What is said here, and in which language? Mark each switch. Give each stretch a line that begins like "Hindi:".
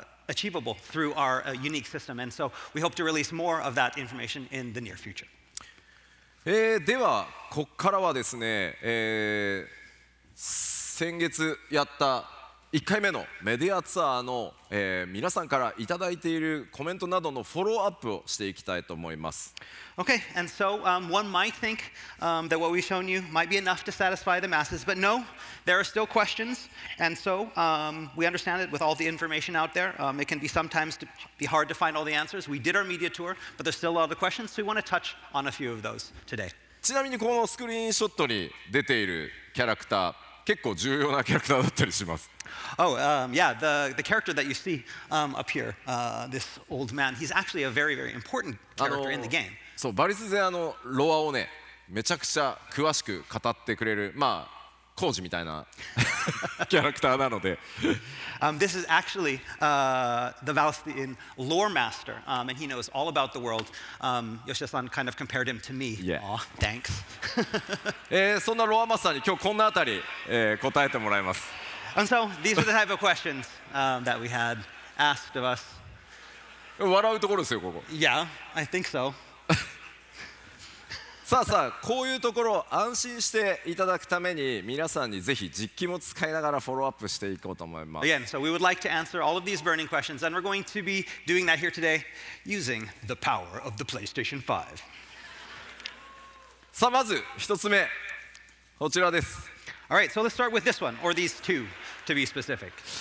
English: Achievable through our unique system. And so we hope to release more of that information in the near future.
Japanese: では、ここからはですね、先月やった1回目のメディアツアーの、皆さんからいただいているコメントなどのフォローアップをしていきたいと思います。
English: Okay, and so one might think that what we've shown you might be enough to satisfy the masses, but no, there are still questions, and so we understand that with all the information out there, it can be sometimes be hard to find all the answers. We did our media tour, but there's still a lot of questions, so we want to touch on a few of those today.
Japanese: ちなみにこのスクリーンショットに出ているキャラクター結構重要なキャラクターだったりします。
English: Oh, yeah, the character that you see up here, this old man, he's actually a very, very important character in the game.
Japanese: そう、バリスゼアのロアをね、めちゃくちゃ詳しく語ってくれる、まあ、コージみたいなキャラクターなので。
English: This is actually the Valisthean lore master, and he knows all about the world. Yoshida-san kind of compared him to me. Yeah. Aw, thanks.
Japanese: そんなロアマスターに今日こんなあたり、答えてもらいます。
English: And so, these are the type of questions that we had asked of us.
Japanese: 笑うところですよ、ここ。
English: Yeah, I think so.
Japanese: さあさあ、こういうところを安心していただくために、皆さんにぜひ実機も使いながらフォローアップしていこうと思います。
English: Again, so we would like to answer all of these burning questions, and we're going to be doing that here today using the power of the PlayStation 5.
Japanese: さあ、まず一つ目、こちらです。
English: All right, so let's start with this one, or these two, to be specific.